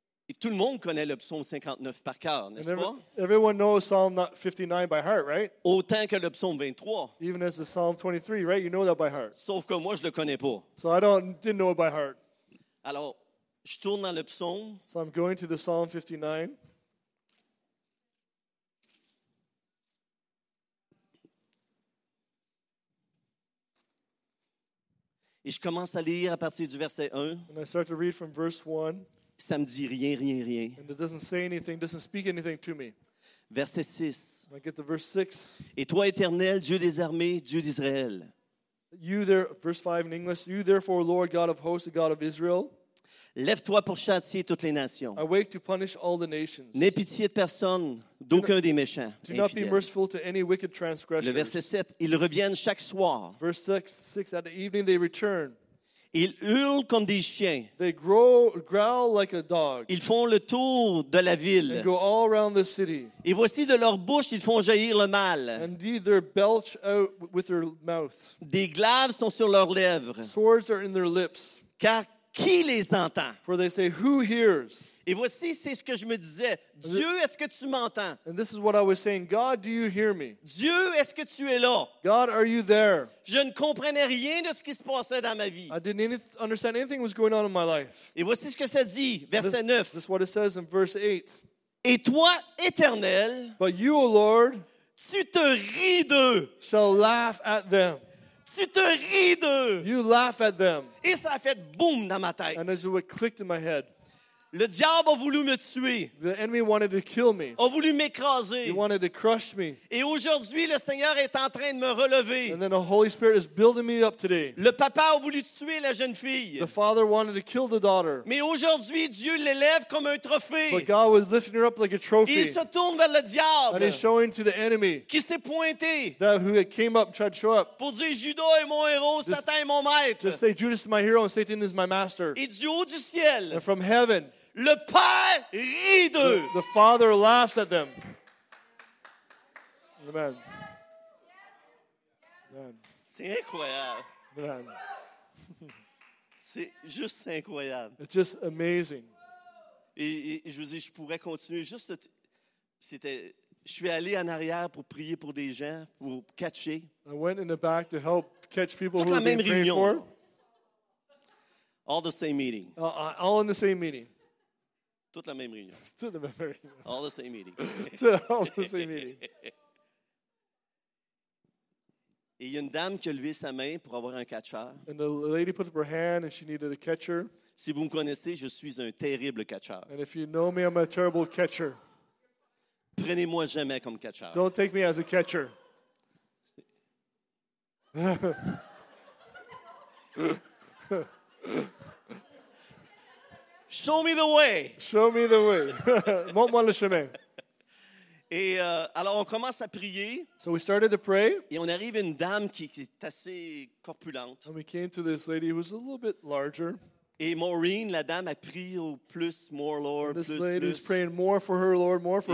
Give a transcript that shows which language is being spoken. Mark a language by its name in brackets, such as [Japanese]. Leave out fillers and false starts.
[French] Et tout le monde connaît le psaume 59 par cœur, n'est-ce pas? [English] Everyone knows Psalm 59 by heart, right? [French] Autant que le psaume 23. [English] Even as the Psalm 23, right? You know that by heart. [French] Sauf que moi, je le connais pas. [English] So I didn't know it by heart. [French] Alors, je tourne dans le psaume. [English] So I'm going to the Psalm 59. [French] Et je commence à lire à partir du verset 1. [English] And I start to read from verse 1. [French] Ça me dit rien. [English] And it doesn't say anything, doesn't speak anything to me. [French] Verset 6. [English] I get to verse 6. [French] Et toi, Éternel, Dieu des armées, Dieu d'Israël. [English] You there, verse 5 in English. You therefore, Lord God of hosts, the God of Israel. [French] Lève-toi pour châtier toutes les nations. [English] Awake to punish all the nations. [French] N'aie pitié de personne, d'aucun des méchants. [English] Do not be merciful to any wicked transgressors. [French] Le verset 7, ils reviennent chaque soir. [English] Verse 6, at the evening they return. [French] Ils hurlent comme des chiens. [English] They growl like a dog. [French] Ils font le tour de la ville. [English] They go all around the city. [French] Et voici de leur bouche, ils font jaillir le mal. [English] And indeed, they belch out with their mouth. [French] Des glaives sont sur leurs lèvres. [English] Swords are in their lips. [French] Car qui les entend? [English] For they say, who hears? [French] Et voici, c'est ce que je me disais. Dieu, est-ce que tu m'entends? [English] And this is what I was saying. God, do you hear me? [French] Dieu, est-ce que tu es là? [English] God, are you there? [French] Je ne comprenais rien de ce qui se passait dans ma vie. [English] I didn't understand anything was going on in my life. [French] Et voici ce que ça dit, verset 9. [English] This is what it says in verse 8. [French] Et toi, Éternel, [English] but you, O Lord, [French] tu te ris d'eux. [English] Shall laugh at them. [French] Tu te ris d'eux. [English] You laugh at them. [French] Et ça a fait boum dans ma tête. [English] And as it clicked in my head. [French] Le diable a voulu me tuer. [English] The enemy wanted to kill me. [French] A voulu m'écraser. [English] He wanted to crush me. [French] Et aujourd'hui, le Seigneur est en train de me relever. [English] And then the Holy Spirit is building me up today. [French] Le papa a voulu tuer la jeune fille. [English] The father wanted to kill the daughter. [French] Mais aujourd'hui, Dieu l'élève comme un trophée. [English] But God was lifting her up like a trophy. [French] Il se tourne vers le diable. [English] And he's showing to the enemy. [French] Qui s'est pointé? [English] That who came up, tried to show up. [French] Pour dire, Judas est mon héros, Satan est mon maître. [English] Just say, Judas is my hero and Satan is my master. [French] Et Dieu du ciel. [English] And from heaven. [French] Le Père rit d'eux. [English] The Father laughs at them. Amen. [French] Amen. C'est incroyable. [English] Amen. [French] C'est juste incroyable. [English] It's just amazing. [French] Et je vous dis, je pourrais continuer juste. C'était. Je suis allé en arrière pour prier pour des gens, pour catcher. [English] I went in the back to help catch people [French] toute [English] who were praying [French] réunion. [English] For. All the same meeting. All in the same meeting. [French] Toute la même réunion. Toute la même réunion. [English] All the same meeting. All the same meeting. [French] Et il y a une dame qui a levé sa main pour avoir un catcheur. [English] And the lady put up her hand and she needed a catcher. [French] Si vous me connaissez, je suis un terrible catcheur. [English] And if you know me, I'm a terrible catcher. [French] Prenez-moi jamais comme catcheur. [English] Don't take me as a catcher. Show me the way. Show me the way. [French] Montre-moi le chemin. Et alors on commence à prier. [English] So we started to pray. [French] Et on arrive à une dame qui est assez corpulente. [English] And we came to this lady who was a little bit larger. [French] Et Maureen, la dame, a prié au plus, [English] more Lord, this [French] plus, [English] lady [French] plus. [English] Is praying more for her Lord, more for